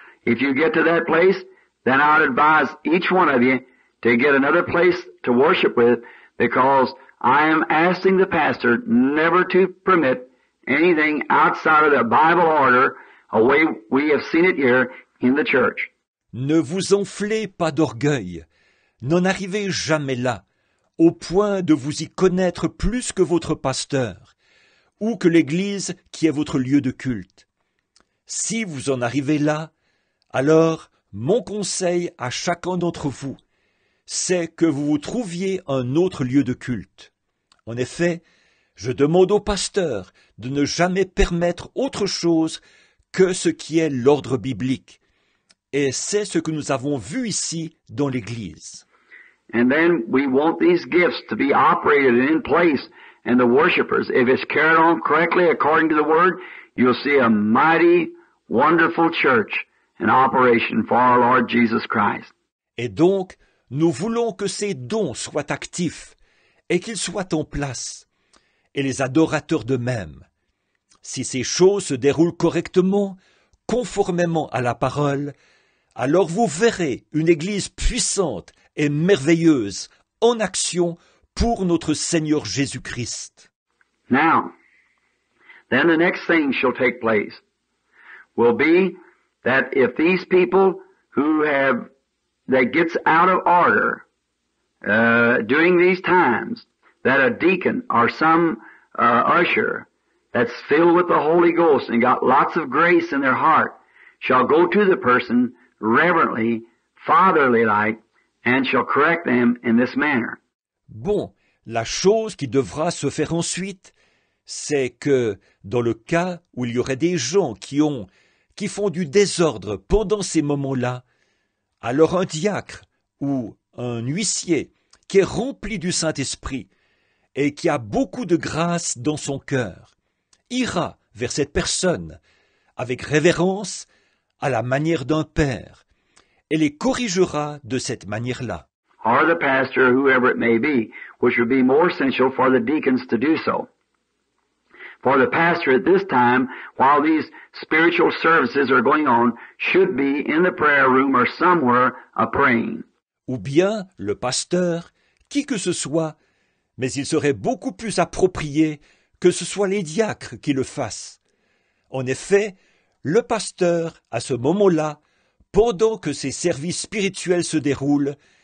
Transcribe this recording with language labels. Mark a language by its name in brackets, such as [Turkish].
[English] If you get to that place, then I'd advise each one of you to get another place to worship with, because I am asking the pastor never to permit anything outside of the Bible order, a way we have seen it here in the church. [French] Ne vous enflez pas d'orgueil. N'en arrivez jamais là, au point de vous y connaître plus que votre pasteur, ou que l'Église qui est votre lieu de culte. Si vous en arrivez là, alors, mon conseil à chacun d'entre vous, c'est que vous vous trouviez un autre lieu de culte. En effet, je demande au pasteur de ne jamais permettre autre chose que ce qui est l'ordre biblique. Et c'est ce que nous avons vu ici dans l'Église. [English] And then we want these gifts to be operated in place and the worshipers. If it's carried on correctly according to the word, you'll see a mighty, wonderful church. An operation for our Lord Jesus Christ. [French] Et donc, nous voulons que ces dons soient actifs et qu'ils soient en place, et les adorateurs d'eux-mêmes. Si ces choses se déroulent correctement, conformément à la parole, alors vous verrez une Église puissante et merveilleuse en action pour notre Seigneur Jésus-Christ. [English] Now, then the next thing shall take place will be that if these people who have, that gets out of order during these times, that a deacon or some usher that's filled with the Holy Ghost and got lots of grace in their heart shall go to the person reverently, fatherly-like, and shall correct them in this manner. [French] Bon, la chose qui devra se faire ensuite, c'est que dans le cas où il y aurait des gens qui font du désordre pendant ces moments-là, alors un diacre ou un huissier qui est rempli du Saint-Esprit et qui a beaucoup de grâce dans son cœur ira vers cette personne avec révérence à la manière d'un père et les corrigera de cette manière-là. [English] Or the pastor, whoever it may be, which would be more essential for the deacons to do so. For the pastor at this time, while these spiritual services are going on, should be in the prayer room or somewhere a praying. [French] Ou bien le pasteur, qui que ce soit, mais il serait beaucoup plus approprié que ce soit les diacres qui le fassent. En effet, le pasteur, à ce moment-là, pendant que ces services spirituels se déroulent,